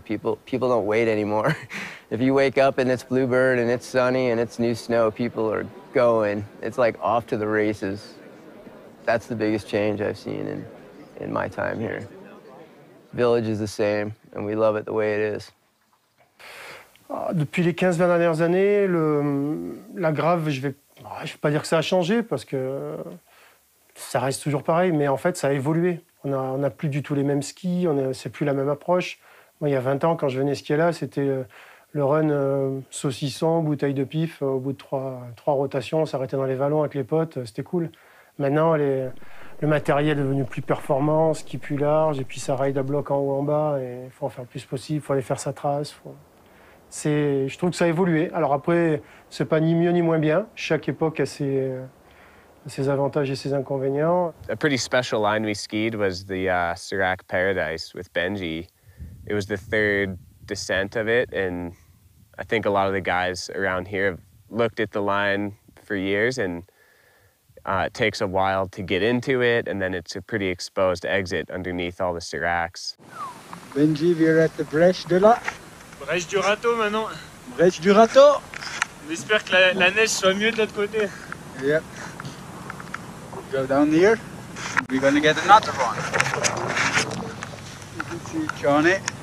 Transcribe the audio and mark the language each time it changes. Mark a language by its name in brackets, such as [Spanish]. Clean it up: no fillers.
[English] People don't wait anymore. If you wake up and it's bluebird and it's sunny and it's new snow, people are going. It's like off to the races. That's the biggest change I've seen in my time here. Village is the same, and we love it the way it is. [French] Depuis les 15-20 dernières années, la grave, je vais pas dire que ça a changé, parce que... Ça reste toujours pareil, mais en fait, ça a évolué. On a plus du tout les mêmes skis, c'est plus la même approche. Moi, il y a 20 ans, quand je venais skier là, c'était le run saucisson, bouteille de pif. Au bout de trois rotations, on s'arrêtait dans les vallons avec les potes, c'était cool. Maintenant, le matériel est devenu plus performant, ski plus large, et puis ça ride à bloc en haut en bas, et il faut en faire le plus possible, il faut aller faire sa trace. Je trouve que ça a évolué. Alors après, c'est pas ni mieux ni moins bien. Chaque époque a ses avantages et ses inconvénients. [English] A pretty special line we skied was the Serac Paradise with Benji. It was the third descent of it, and I think a lot of the guys around here have looked at the line for years, and it takes a while to get into it, and then it's a pretty exposed exit underneath all the Seracs. Benji, we're at the Brèche de la... [French] Brèche du Râteau, maintenant. Brèche du Râteau. J'espère que la neige soit mieux de l'autre côté. [English] Yep. Go down here, we're going to get another one. You can see Johnny.